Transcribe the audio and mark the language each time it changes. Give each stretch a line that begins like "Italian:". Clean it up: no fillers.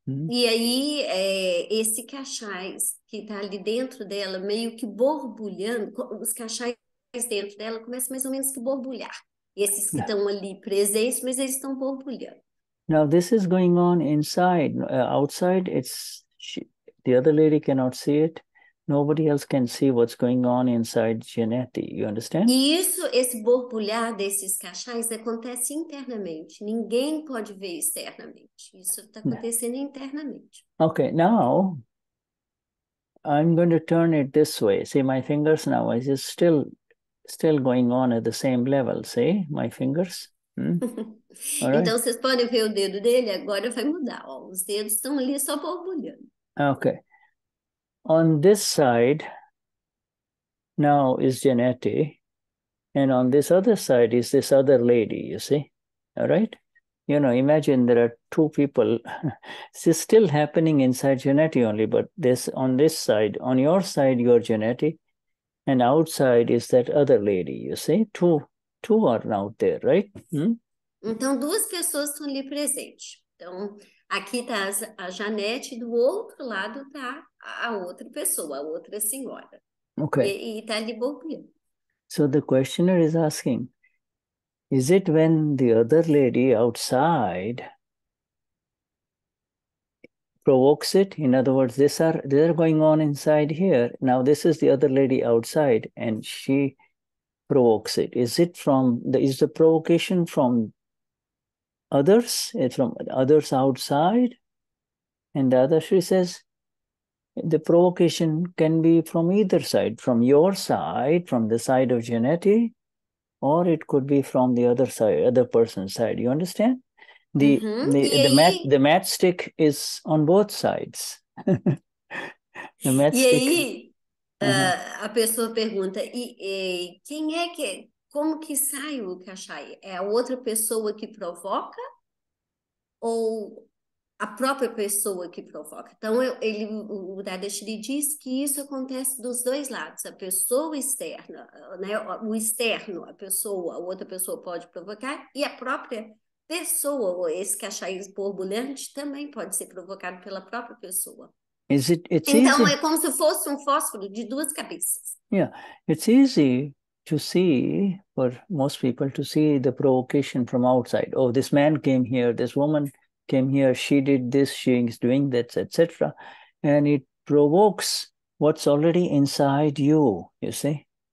Portuguese: E aí, esse cachais que está ali dentro dela, meio que borbulhando, os cachais dentro dela começam mais ou menos que borbulhar. E esses que estão ali presentes, mas eles estão borbulhando.
English: Now this is going on inside, outside it's, she, the other lady cannot see it, nobody else can see what's going on inside Janetti, you understand?
Portuguese: E isso, esse borbulhar desses cachais acontece internamente, ninguém pode ver externamente, isso está acontecendo internamente.
English: Okay, now, I'm going to turn it this way, see my fingers now, is it still going on at the same level, see my fingers? All right.
Portuguese: Então, vocês podem ver o dedo dele, agora vai mudar. Ó, os dedos estão ali só borbulhando.
English: Okay. On this side, now is Janetti, and on this other side is this other lady, you see? All right? You know, imagine there are two people. This is still happening inside Janetti only, but this on this side, on your side, you're Janetti, and outside is that other lady, you see? Two are out there, right?
Portuguese: Então, duas pessoas estão ali presentes. Então, aqui está a Janete, do outro lado está a outra pessoa, a outra senhora.
English: Okay.
Portuguese: E está ali borbulhando.
English: So the questioner is asking, is it when the other lady outside provokes it? In other words, they are going on inside here. Now this is the other lady outside and she provokes it. Is the provocation from others? It's from others outside? And the other, she says, the provocation can be from either side, from your side, from the side of Janetti, or it could be from the other side, other person's side. You understand? The the mat stick is on both sides. The mat stick.
Portuguese: A pessoa pergunta, quem é que, como que sai o cachai? É a outra pessoa que provoca ou a própria pessoa que provoca? Então, o Dadashri diz que isso acontece dos dois lados, a pessoa externa, né? O externo, a outra pessoa pode provocar, e a própria pessoa, ou esse cachai borbulhante, também pode ser provocado pela própria pessoa. Então, é como se fosse um fósforo de duas cabeças.
English: Yeah, it's easy to see, for most people, to see the provocation from outside. Oh, this man came here, this woman came here, she did this, she is doing that, etc. And it provokes what's already inside you, you see?